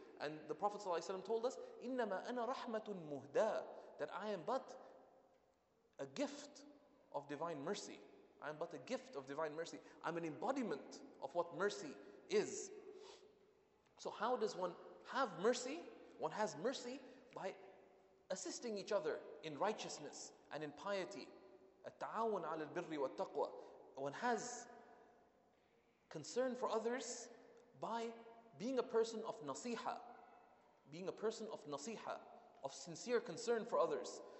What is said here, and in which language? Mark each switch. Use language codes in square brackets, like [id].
[en] And the Prophet sallallahu alayhi wa sallam told us, [ar] إِنَّمَا أَنَا رَحْمَةٌ مُهْدَى, [en] that I am but a gift of divine mercy. I am but a gift of divine mercy. I'm an embodiment of what mercy is. So how does one have mercy? One has mercy by assisting each other in righteousness and in piety. [ar] التعاون على البر والتقوى. [en] One has concern for others by being a person of nasiha. Being a person of nasiha, of sincere concern for others.